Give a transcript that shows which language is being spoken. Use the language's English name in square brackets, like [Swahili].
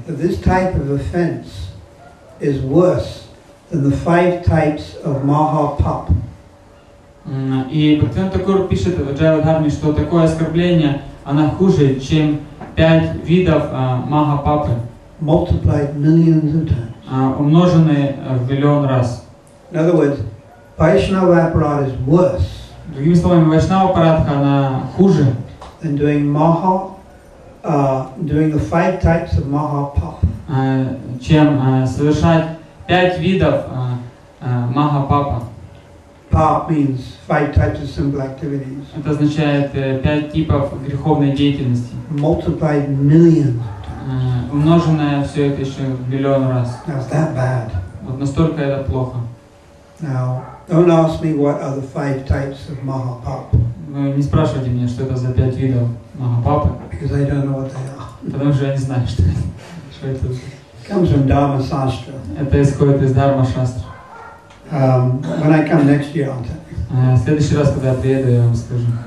[English] This type of offense is worse than the five types of Mahapap. [Russian] И Бхактивинода Такур пишет в Jaiva Dharma, что такое оскорбление, оно хуже, чем пять видов Махапапы. [English] Multiplied millions of times. [Russian] Умноженные в миллион раз. [English] In other words, Vaishnava aparat is worse. [Russian] Другими словами, Вайшнава аппаратха она хуже. [English] Than doing Maha, doing the five types of Mahapap. [Russian] Чем совершать пять видов Махапапа. [English] Pap means five types of sinful activities. [Russian] Это означает пять типов греховной деятельности. [English] Multiplied millions. [Russian] Умноженное все это еще в миллион раз. [English] Now, is that bad? [Russian] Вот настолько это плохо. [English] Now, don't ask me what are the five types of Mahapap. [Russian] Не спрашивайте меня, что это за пять видов Махапапы. [English] Because I don't know what they are. [Russian] Потому что я не знаю, что это. [English] Comes from Dharma Shastra. [Russian] Это исходит из Дхарма Шастры. [English] When I come next year, I'll tell you. [Russian] Следующий раз, когда я приеду, я вам скажу.